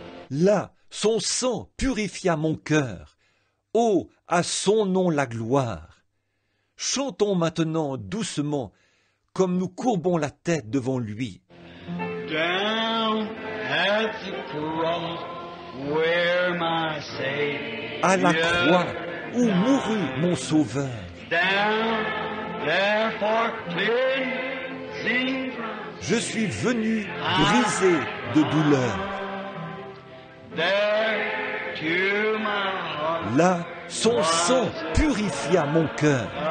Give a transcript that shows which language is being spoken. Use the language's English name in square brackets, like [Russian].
[French] Là, son sang purifia mon cœur. Oh, à son nom la gloire. Chantons maintenant doucement comme nous courbons la tête devant lui. [English] Down at the cross where my Savior. [French] À la croix où mourut mon Sauveur. [English] Down there for cleansing. [French] Je suis venu brisé de douleur. [English] There to my heart. [French] Là, son sang purifia mon cœur.